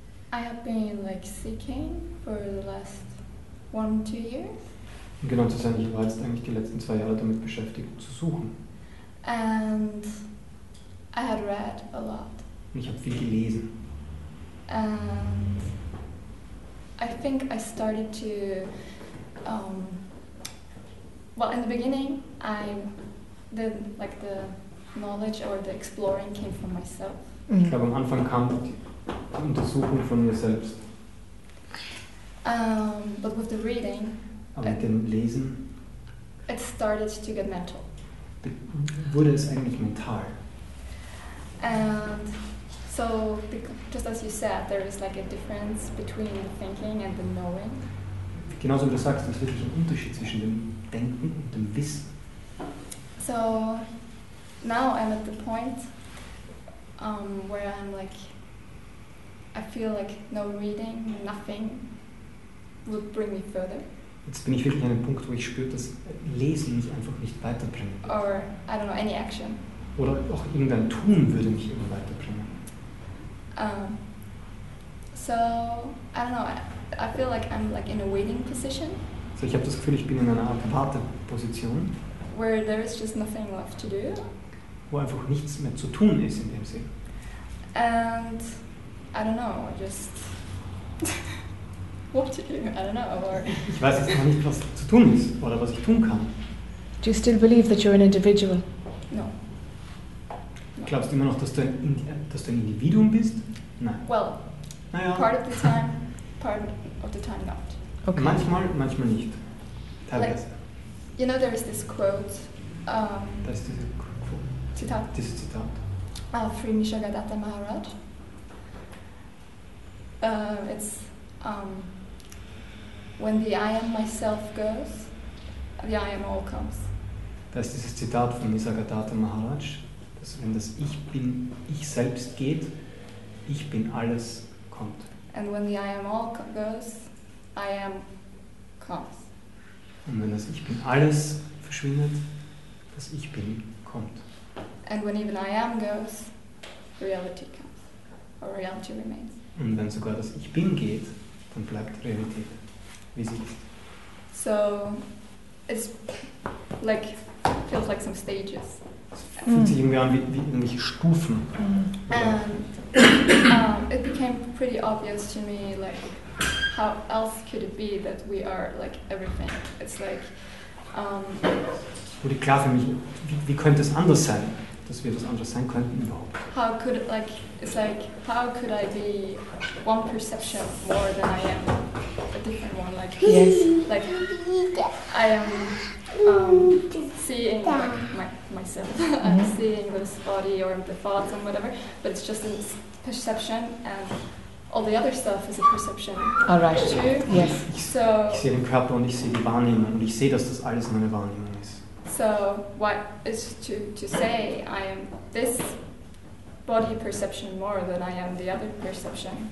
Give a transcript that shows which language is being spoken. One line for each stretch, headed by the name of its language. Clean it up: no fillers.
English: I have been, like, seeking for the last 1-2 years.
German: Und genau zu sein, ich war jetzt eigentlich die letzten 2 Jahre damit beschäftigt, zu suchen.
English: And I had read a lot.
German: Und ich habe viel gelesen.
English: And I think I started to, well, in the beginning, I did like the knowledge or the exploring came from myself. Mm-hmm.
German: Ich glaube, am Anfang kam die Untersuchung von mir selbst.
English: But with the reading,
German: aber mit dem Lesen,
English: it started to get mental.
German: Wurde es eigentlich mental?
English: And so, just as you said, there is like a difference between the thinking and the knowing.
German: Genauso wie du sagst, es ist wirklich ein Unterschied zwischen dem Denken und dem Wissen.
English: So, now I'm at the point where I'm like, I feel like no reading, nothing would bring me further.
German: Jetzt bin ich wirklich an einem Punkt, wo ich spüre, dass Lesen mich einfach nicht weiterbringen wird.
English: Or, I don't know, any action.
German: Oder auch irgendein Tun würde mich immer weiterbringen.
English: So I don't know. I feel like I'm like in a waiting position.
German: So ich habe das Gefühl, ich bin in einer Art Warteposition.
English: Where there is just nothing left to do.
German: Wo einfach nichts mehr zu tun ist in dem Sinn.
English: And I don't know. Just what to do? I don't know. Or
German: ich weiß jetzt noch nicht, was zu tun ist oder was ich tun kann.
English: Do you still believe that you're an individual? No.
German: Glaubst du immer noch, dass du ein Individuum bist? Nein.
English: Well,
German: naja.
English: Part of the time, part of the time not. Okay.
German: Manchmal nicht. Teilweise. Like,
English: you know, there is this quote.
German: Das ist diese Quote. Zitat. Dieses Zitat.
English: Free Nishagadatta Maharaj. It's when the I am myself goes, the I am all comes.
German: Das ist dieses Zitat von Nishagadatta Maharaj. Dass wenn das Ich bin, ich selbst geht, ich bin alles, kommt.
English: And when the I am all goes, I am comes.
German: Und wenn das Ich bin alles verschwindet, das Ich bin, kommt.
English: And when even I am goes, reality comes. Or reality remains.
German: Und wenn sogar das Ich bin geht, dann bleibt Realität, wie sie ist.
English: So, it's like, feels like some stages.
German: Es fühlt sich irgendwie an wie irgendwelche Stufen.
English: And it became pretty obvious to me, like, how else could it be that we are like everything? It's like
German: wurde klar für mich, wie könnte es anders sein, dass wir etwas anderes sein könnten überhaupt?
English: How could it, like, it's like, how could I be one perception more than I am a different one? Like, yes. Like I am seeing like myself. I'm seeing this body or the thoughts and whatever, but it's just a perception, and all the other stuff is a perception. All right. Too. Yes. So
German: ich sehe den Körper und ich sehe die Wahrnehmung und ich sehe, dass das alles meine Wahrnehmung ist.
English: So what is to say I am this body perception more than I am the other perception?